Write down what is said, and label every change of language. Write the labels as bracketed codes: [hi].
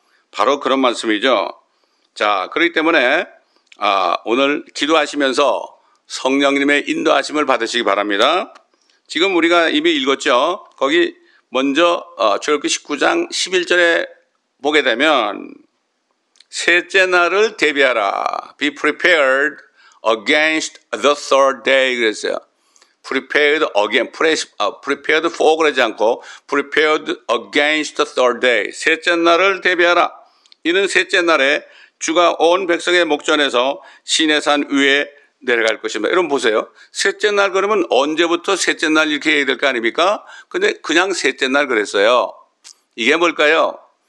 [ko] 바로 그런 말씀이죠. 자, 그렇기 때문에 오늘 기도하시면서 성령님의 인도하심을 받으시기 바랍니다. 지금 우리가 이미 읽었죠. 거기 먼저 출애굽기 19장 11절에 보게 되면 셋째 날을 대비하라. [en] Be prepared against the third day [ko] 그랬어요. [en] Prepared again, prepared for [ko] 그러지 않고 [en] prepared against the third day. [ko] 셋째 날을 대비하라. 이는 셋째 날에 주가 온 백성의 목전에서 시내산 위에 내려갈 것입니다. 여러분 보세요. 셋째 날 그러면 언제부터 셋째 날 이렇게 해야 될 거 아닙니까? 근데 그냥 셋째 날 그랬어요. 이게 뭘까요?